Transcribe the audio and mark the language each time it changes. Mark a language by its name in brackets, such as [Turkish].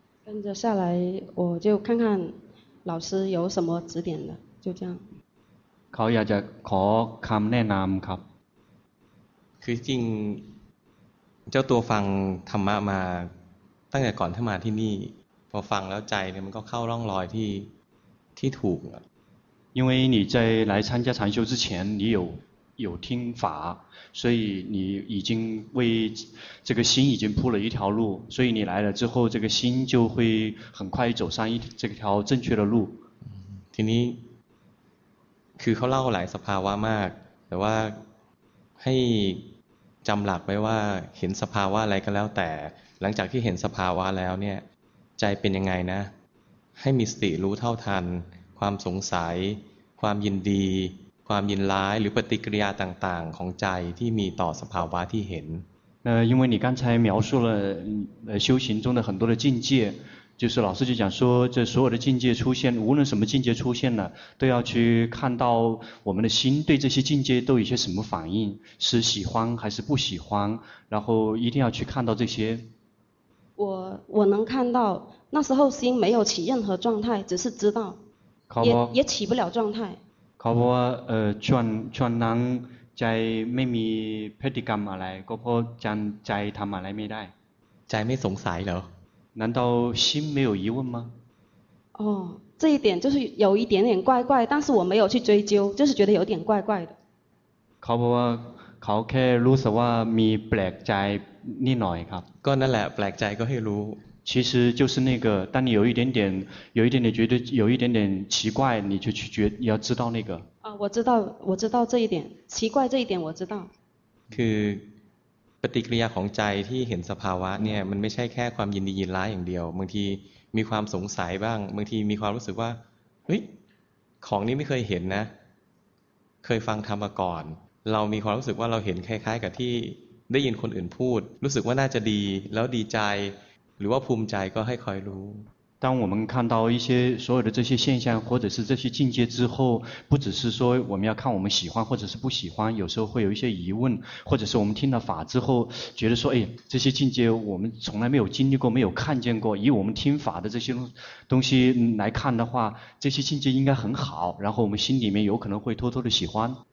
[Chinese] 跟着下来我就看看老师有什么指点的就这样 [Thai] เขาอยากจะขอคำแนะนำครับ คือจริงเจ้าตัวฟังธรรมะมาตั้งแต่ก่อนที่มาที่นี่พอฟังแล้วใจเนี่ยมันก็เข้าร่องรอยที่ถูก [Chinese] 因为你在来参加禅修之前你有听法所以你已经为这个心已经铺了一条路所以你来了之后这个心就会很快走上这条正确的路 [Thai] ทีนี้คือเขาเล่าหลายสภาวะมากแต่ว่าให้จำหลักไว้ว่าเห็นสภาวะอะไรก็แล้วแต่หลังจากที่เห็นสภาวะแล้วเนี่ยใจเป็นยังไงนะให้มีสติรู้เท่าทันความสงสัยความยินดีความยินร้ายหรือปฏิกิริยาต่างๆของใจที่มีต่อสภาวะที่เห็น [Chinese] 因为你刚才描述了修行中的很多的境界就是老师就讲说这所有的境界出现无论什么境界出现了都要去看到我们的心对这些境界都有些什么反应是喜欢还是不喜欢然后一定要去看到这些我能看到那时候心没有起任何状态只是知道也起不了状态考不全能在没 [Thai] มีพฤติกรรมอะไรก็เพราะจันใจทำอะไรไม่ได้ ใจไม่สงสัยเหรอ [Chinese] 难道心没有疑问吗？哦，这一点就是有一点点怪怪，但是我没有去追究，就是觉得有点怪怪的。考博， [Thai] เขาแค่รู้สึกว่ามีแปลกใจนิดหน่อยครับ ก็นั่นแหละแปลกใจก็ให้รู้ [Chinese] 其实就是那个当你有一点点有一点点觉得有一点点奇怪你就去觉你要知道那个啊我知道我知道这一点奇怪这一点我知道 [Thai] คือปฏิกิริยาของใจที่เห็นสภาวะเนี่ยมันไม่ใช่แค่ความยินดียินร้ายอย่างเดียวบางทีมีความสงสัยบ้างบางทีมีความรู้สึกว่าเฮ้ยของนี้ไม่เคยเห็นนะเคยฟังธรรมมาก่อนเรามีความรู้สึกว่าเราเห็นคล้ายๆกับที่ได้ยินคนอื่นพูดรู้สึกว่าน่าจะดีแล้วดีใจหรือว่าภูมิใจก็ให้คอยรู้ [Chinese] 当我们看到一些所有的这些现象或者是这些境界之后不只是说我们要看我们喜欢或者是不喜欢有时候会有一些疑问或者是我们听了法之后觉得说哎这些境界我们从来没有经历过没有看见过以我们听法的这些东西来看的话这些境界应该很好然后我们心里面有可能会偷偷的喜欢